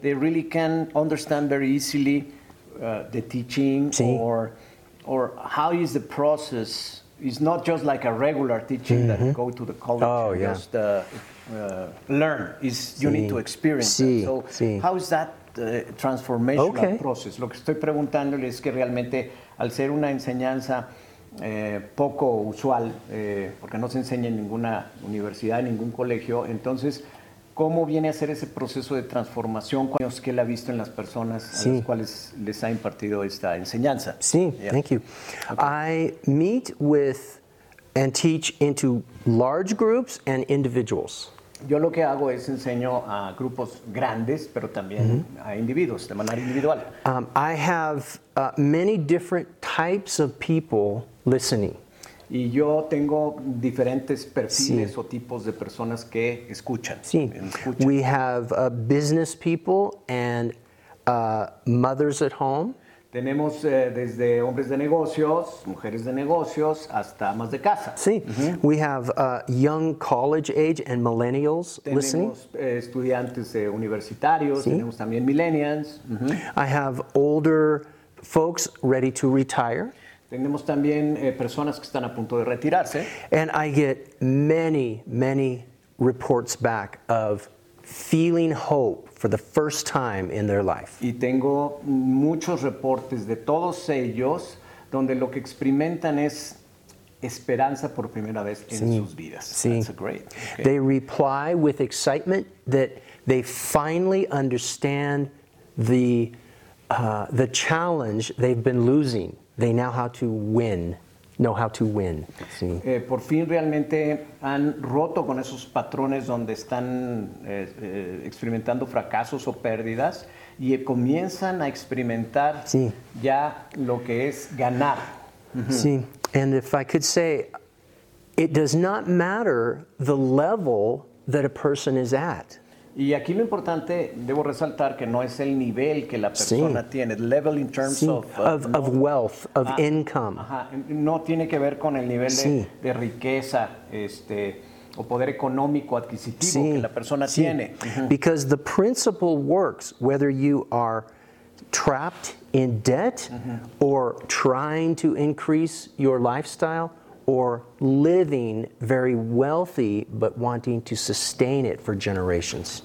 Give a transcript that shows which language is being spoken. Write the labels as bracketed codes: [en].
[en] they really can understand very easily the teaching [es] sí. [en] or how is the process? It's not just like a regular teaching mm-hmm. that go to the college oh, and yeah. just learn. Is you [es] sí. [en] need to experience [es] sí. [en] it. So [es] sí. [en] how is that transformational okay. [es] process? Lo que estoy preguntándole es que realmente al ser una enseñanza poco usual, porque no se enseña en ninguna universidad, en ningún colegio. Entonces, ¿cómo viene a ser ese proceso de transformación? ¿Cuántos que él ha visto en las personas a las cuales les ha impartido esta enseñanza? [en] Sí, thank you. Okay. I meet with and teach into large groups and individuals. [es] Yo lo que hago es enseño a grupos grandes, pero también a individuos, de manera individual. [en] I have many different types of people listening. [es] Y yo tengo diferentes perfiles o tipos de personas que escuchan. Sí. [en] We have business people and mothers at home. [es] Tenemos desde hombres de negocios, mujeres de negocios, hasta amas de casa. Sí. [en] We have young college age and millennials [es] tenemos, [en] listening. [es] Tenemos estudiantes universitarios. Sí. Tenemos también millennials. [en] I have older folks ready to retire. [es] Tenemos también personas que están a punto de retirarse. [en] And I get many, many reports back of feeling hope for the first time in their life. [es] Y tengo muchos reportes de todos ellos donde lo que experimentan es esperanza por primera vez en sus vidas. Sí. [en] That's great. Okay. They reply with excitement that they finally understand the challenge they've been losing. They now know how to win. [es] Sí. Por fin realmente han roto con esos patrones donde están experimentando fracasos o pérdidas y comienzan a experimentar ya lo que es ganar. Sí. [en] And if I could say, it does not matter the level that a person is at. [es] Y aquí lo importante, debo resaltar que no es el nivel que la persona tiene. [en] Level in terms of wealth, of income. [es] Ajá. No tiene que ver con el nivel de riqueza o poder económico adquisitivo que la persona tiene. [en] Because the principle works whether you are trapped in debt or trying to increase your lifestyle or living very wealthy but wanting to sustain it for generations.